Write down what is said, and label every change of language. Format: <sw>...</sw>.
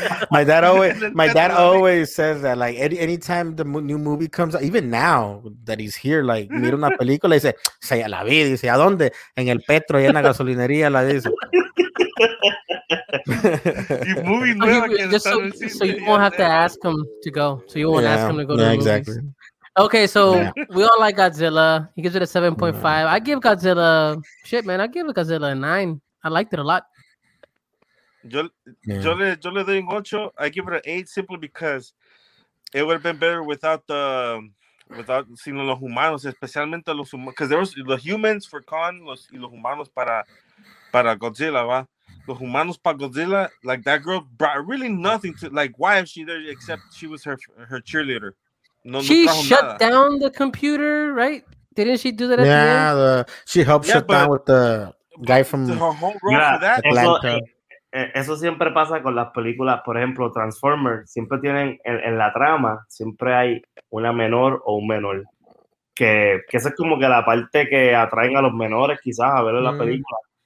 <en>My dad always says that, like, anytime the new movie comes out, even now that he's here, like,</en> <es>mira una película y dice, esa ya la vi, dice, ¿a dónde? En el Petro y en la gasolinería, la dice. Y movie nueva que está en el cine.</es> <en>So you won't have to ask him to go. So you won't ask him to go to the exactly. Movies. Okay, so we all like Godzilla. He gives it a 7.5. I give Godzilla shit, man. I give Godzilla a 9. I liked it a lot.</en> <es>Yo le doy un 8.</es> <en>I give it an 8 simply because it would have been better without the</en> <es>sino los humanos, especialmente los humanos,</es> <en>because there was the humans for Khan,</en> <es>los y los humanos para Godzilla, va. Los humanos para Godzilla,</es> <en>like that girl brought really nothing to, like, why is she there except she was her cheerleader. She shut down the computer, right? Didn't she do that at the end? She helped shut down with the guy from Atlanta.</en> <es>Eso siempre pasa con las películas, por ejemplo, Transformers, siempre tienen en la trama, siempre hay una menor o un menor. Que esa es como que la parte que atraen a los menores, quizás, a ver la película.</es>